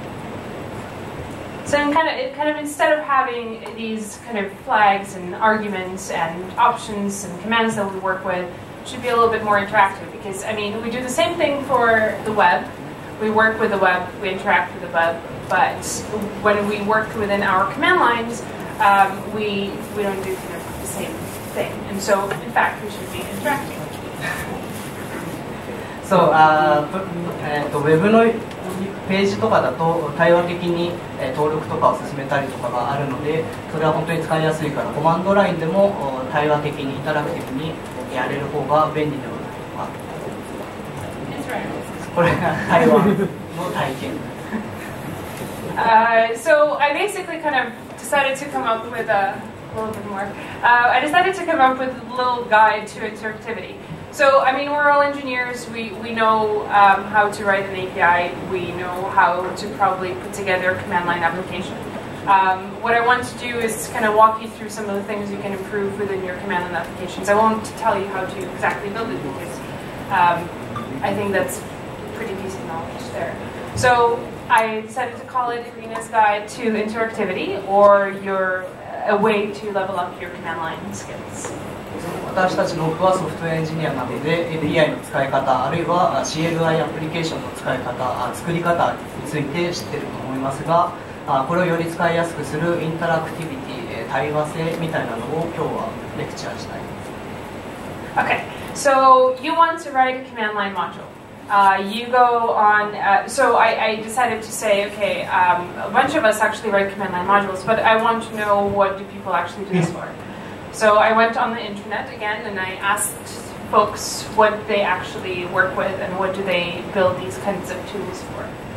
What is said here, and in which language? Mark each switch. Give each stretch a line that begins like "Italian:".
Japanese: 思います。
English: So kind of instead of having these kind of flags and arguments and options and commands that we work with, should be a little bit more interactive because, I mean, we do the same thing for the web. We work with the web, we interact with the web. But when we work within our command lines, we don't do kind of the same thing. And so, in fact, we should be interacting.
Japanese: So, web のページとかだと対話的に登録とかを進めたりとかがあるので、それは本当に使いやすいから、コマンドラインでも対話的にインタラクティブにやれる方が便利ではないかな。これが対話の体験。
English: So I basically kind of decided to come up with a little bit more. I decided to come up with a little guide to interactivity. So I mean, we're all engineers. We know how to write an API. We know how to probably put together a command line application. What I want to do is kind of walk you through some of the things you can improve within your command line applications. I won't tell you how to exactly build it because I think that's pretty decent knowledge there. So. I decided to call it Irina's Guide to Interactivity, or a way to level up your command line skills.
Japanese: 私たちの僕はソフトウェアエンジニアなので、API の使い方、あるいは CLI アプリケーションの使い方、作り方について知っていると思いますが、これをより使いやすくするインタラクティビティ、対話性みたいなのを今日はレクチャーしたい。
English: Okay, so you want to write a command line module. You go on, so I decided to say, okay, a bunch of us actually write command line modules, but I want to know what do people actually do this for. So I went on the internet again and I asked folks what they actually work with and what do they build these kinds of tools for.